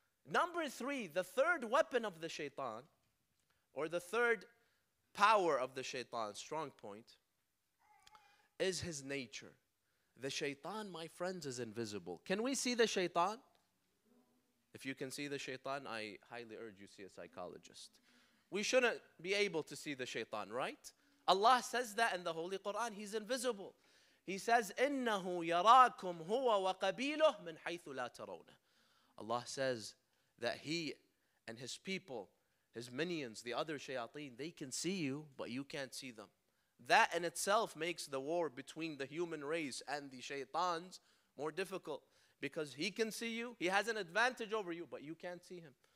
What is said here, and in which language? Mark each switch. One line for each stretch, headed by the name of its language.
English: Number three, the third weapon of the shaitan, or the third power of the shaitan, strong point, is his nature. The shaitan, my friends, is invisible. Can we see the shaitan? If you can see the shaitan, I highly urge you see a psychologist. We shouldn't be able to see the shaitan, right? Allah says that in the Holy Quran. He's invisible. He says,
Arabic: إِنَّهُ يَرَاكُمْ هُوَ وَقَبِيلُهُ مِنْ حَيْثُ لَا تَرَوْنَ.
English: Allah says that he and his people, his minions, the other shayateen, they can see you, but you can't see them. That in itself makes the war between the human race and the shaitans more difficult. Because he can see you, he has an advantage over you, but you can't see him.